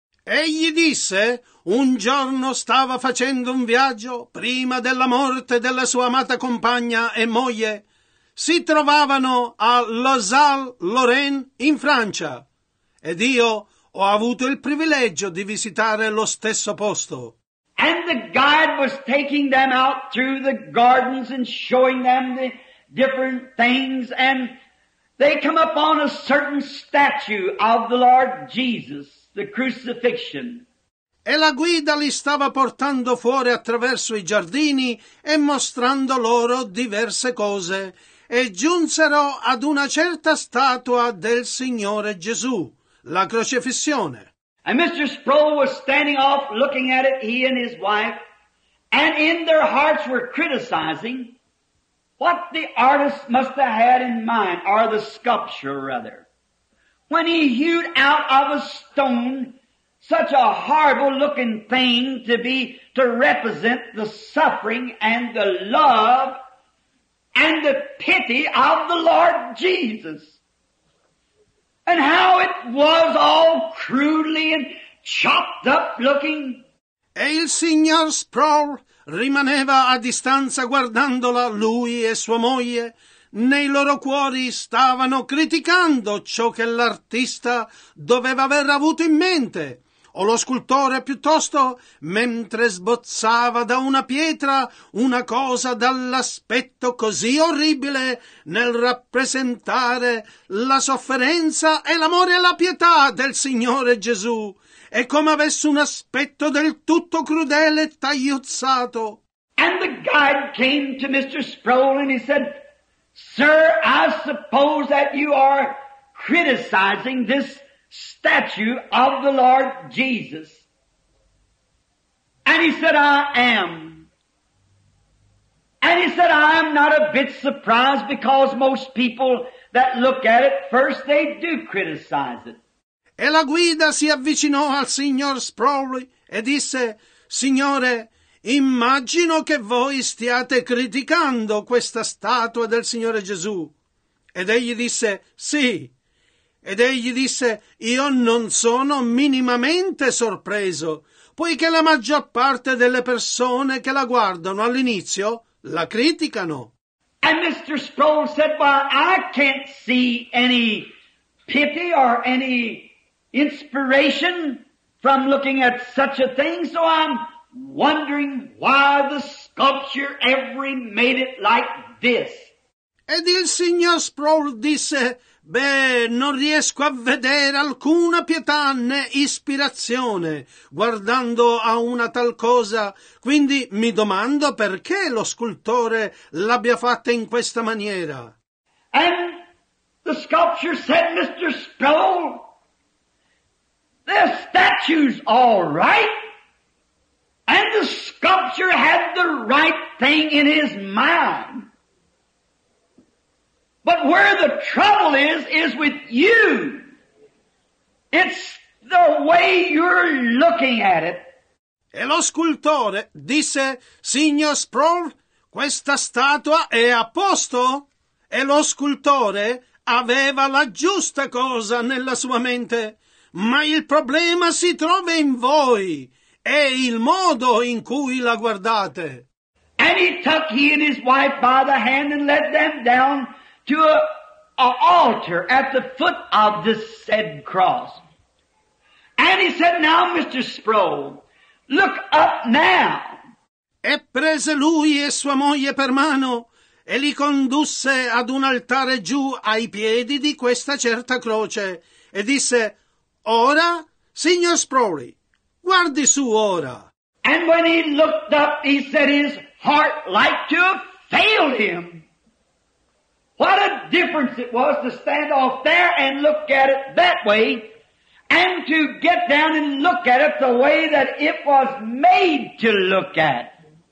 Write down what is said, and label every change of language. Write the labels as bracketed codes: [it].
[it] Egli disse, un giorno stava facendo un viaggio prima della morte della sua amata compagna e moglie. Si trovavano a La Salle-Lorraine in Francia. Ed io ho avuto il privilegio di visitare lo stesso posto. [en] And the guide was taking them out through the gardens and showing them the different things, and they come upon a certain statue of the Lord Jesus. The crucifixion. [it] E la guida li stava portando fuori attraverso i giardini e mostrando loro diverse cose, e giunsero ad una certa statua del Signore Gesù, la crocifissione. [en] And Mr. Sproul was standing off looking at it, he and his wife, and in their hearts were criticizing what the artist must have had in mind, or the sculpture rather, when he hewed out of a stone such a horrible looking thing to be, to represent the suffering and the love and the pity of the Lord Jesus. And how it was all crudely and chopped up looking. [it] E il signor Sproul rimaneva a distanza guardandola, lui e sua moglie. Nei loro cuori stavano criticando ciò che l'artista doveva aver avuto in mente. O lo scultore, piuttosto, mentre sbozzava da una pietra una cosa dall'aspetto così orribile nel rappresentare la sofferenza e l'amore e la pietà del Signore Gesù, e come avesse un aspetto del tutto crudele e tagliuzzato. [en] And the guide came to Mr. Sproul and he said, "Sir, I suppose that you are criticizing this statue of the Lord Jesus." And he said, "I am." And he said, "I'm not a bit surprised, because most people that look at it first, they do criticize it." [it] E la guida si avvicinò al signor Sproul e disse, "Signore, immagino che voi stiate criticando questa statua del Signore Gesù." Ed egli disse, "Sì." Ed egli disse, "Io non sono minimamente sorpreso, poiché la maggior parte delle persone che la guardano all'inizio la criticano." [en] And Mr. Sproul said, "Well, I can't see any pity or any inspiration from looking at such a thing, so I'm wondering why the sculpture ever made it like this." [it] Ed il signor Sproul disse, "Beh, non riesco a vedere alcuna pietà né ispirazione guardando a una tal cosa, quindi mi domando perché lo scultore l'abbia fatta in questa maniera." [en] And the sculpture said, "Mr. Sproul, the statue's all right, and the sculpture had the right thing in his mind. But where the trouble is with you. It's the way you're looking at it." [it] E lo scultore disse, "Signor Sproul, questa statua è a posto." E lo scultore aveva la giusta cosa nella sua mente. Ma il problema si trova in voi e il modo in cui la guardate. [en] And he took he and his wife by the hand and led them down to an altar at the foot of this said cross. And he said, "Now, Mr. Sproul, look up now." [it] E prese lui e sua moglie per mano e li condusse ad un altare giù ai piedi di questa certa croce e disse, "Ora, signor Sproul, guardi su ora." [en] And when he looked up, he said his heart like to have failed him. What a difference it was to stand off there and look at it that way, and to get down and look at it the way that it was made to look at.